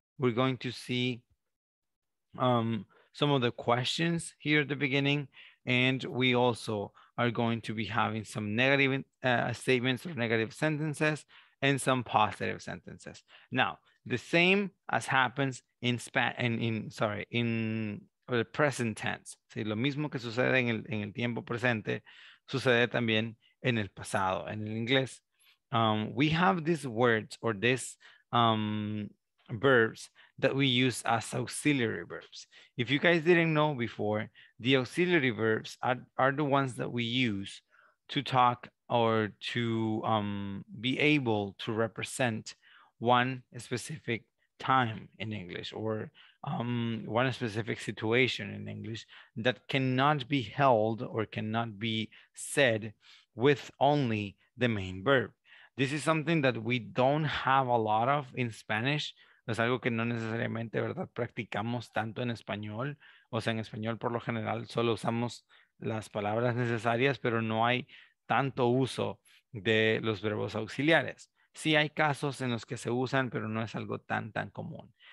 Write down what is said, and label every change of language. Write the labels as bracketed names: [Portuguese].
[English] We're going to see some of the questions here at the beginning, and we also are going to be having some negative statements or negative sentences and some positive sentences. Now, the same as happens in the present tense. [Spanish] Sí, lo mismo que sucede en el tiempo presente sucede también en el pasado, en el inglés. [English] We have these words or these verbs that we use as auxiliary verbs. If you guys didn't know before, the auxiliary verbs are the ones that we use to talk or to be able to represent one specific time in English or one specific situation in English that cannot be held or cannot be said with only the main verb. This is something that we don't have a lot of in Spanish. [Spanish] Es algo que no necesariamente, ¿verdad?, practicamos tanto en español. O sea, en español por lo general solo usamos las palabras necesarias, pero no hay tanto uso de los verbos auxiliares. Sí hay casos en los que se usan, pero no es algo tan común.